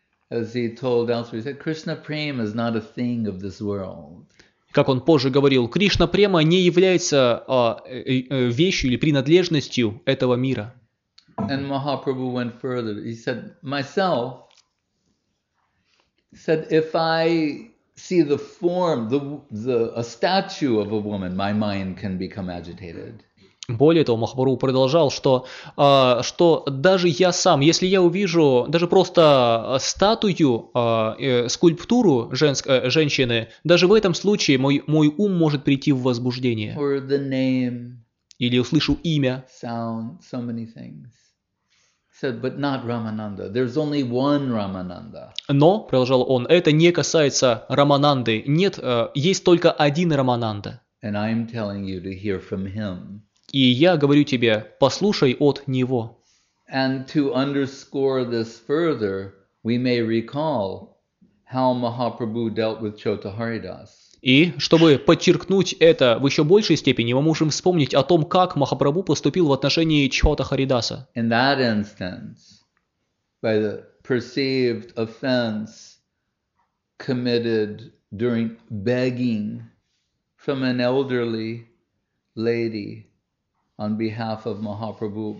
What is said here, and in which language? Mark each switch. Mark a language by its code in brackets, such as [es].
[en] As he told elsewhere, he said, Krishna Prem is not a thing of this world. [ru] Как он позже говорил, Кришна Према не является вещью или принадлежностью этого мира. [en] And Mahaprabhu went further. He said, myself, said, if I see the form, a statue of a woman, my mind can become agitated. [ru] Более того, Махапрабху продолжал, что даже я сам, если я увижу даже просто статую, скульптуру женщины, даже в этом случае мой ум может прийти в возбуждение. [en] Or the name, [ru] или услышу имя. [en] Sound, so many things. Said, but not Ramananda. There's only one Ramananda. [ru] Но, продолжал он, это не касается Рамананды. Нет, есть только один Рамананда. [en] And I'm telling you to hear from him. [ru] И я говорю тебе, послушай от него. [en] And to underscore this further, we may recall how Mahaprabhu dealt with Chota Haridas. [ru] И чтобы подчеркнуть это в еще большей степени, мы можем вспомнить о том, как Махапрабху поступил в отношении Чхота Харидаса. [en] In that instance, by the perceived offense committed during begging from an elderly lady on behalf of Mahaprabhu.